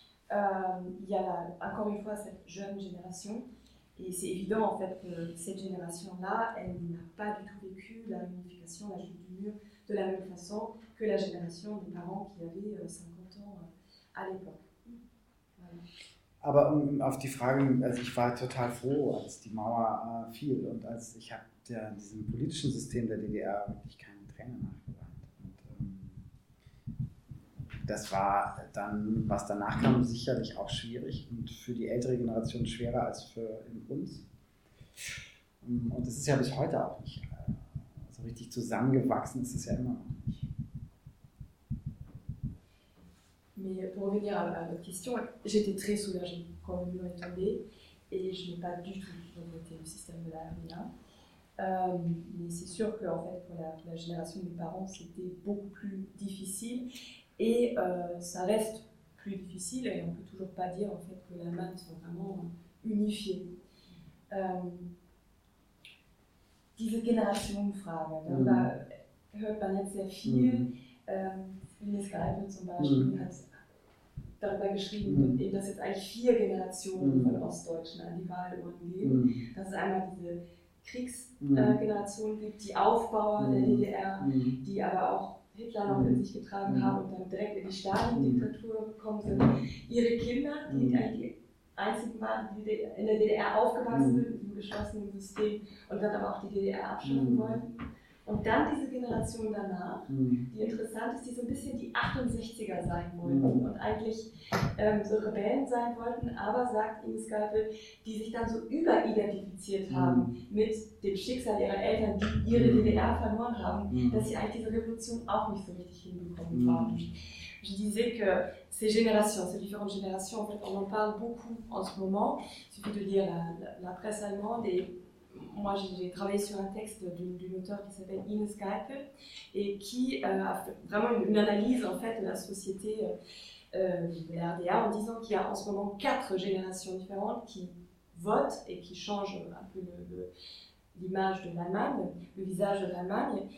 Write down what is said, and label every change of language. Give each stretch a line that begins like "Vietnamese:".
French: Il y a encore une fois cette jeune génération, et c'est évident en fait que cette génération-là, elle n'a pas du tout vécu la réunification, la chute du mur, de la même façon que la génération des parents qui avaient 50 ans à l'époque. Voilà.
German: Aber auf die Frage, also ich war total froh, als die Mauer fiel und als ich habe diesem politischen System der DDR wirklich keinen Tränen nachgeweint. Und das war dann, was danach kam, sicherlich auch schwierig und für die ältere Generation schwerer als für uns. Und es ist ja bis heute auch nicht so richtig zusammengewachsen, es ist ja immer noch nicht.
French: Mais pour revenir à votre question, j'étais très soulagée quand le mur est tombé et je n'ai pas du tout regretté le système de la RIA. Mais c'est sûr que en fait, pour la génération de mes parents, c'était beaucoup plus difficile et ça reste plus difficile et on ne peut toujours pas dire en fait, que la main soit vraiment unifiée.
German: Diese Generationenfrage, da hört man jetzt sehr viel. Ines Greipel zum Beispiel hat darüber geschrieben, eben, dass jetzt eigentlich vier Generationen von Ostdeutschen an die Wahlurnen gehen. Dass es einmal diese Kriegsgeneration gibt, die Aufbauer der DDR, die aber auch Hitler noch in sich getragen haben und dann direkt in die Stalin-Diktatur gekommen sind. Ihre Kinder, die eigentlich die einzigen waren, die in der DDR aufgewachsen sind, im geschlossenen System und dann aber auch die DDR abschaffen wollten. Und dann diese Generation danach, die interessant ist, die so ein bisschen die 68er sein wollten und eigentlich so Rebellen sein wollten, aber, sagt Ines Greipel, die sich dann so überidentifiziert haben mit dem Schicksal ihrer Eltern, die ihre DDR verloren haben, dass sie eigentlich diese Revolution auch nicht so richtig hinbekommen haben.
French: Je disais que ces générations, ces différentes générations, en fait, on en parle beaucoup en ce moment, il suffit de lire la presse allemande et moi, j'ai travaillé sur un texte d'une auteure qui s'appelle Ines Greipel et qui a fait vraiment une analyse en fait, de la société de la RDA en disant qu'il y a en ce moment quatre générations différentes qui votent et qui changent un peu l'image de l'Allemagne, le visage de l'Allemagne.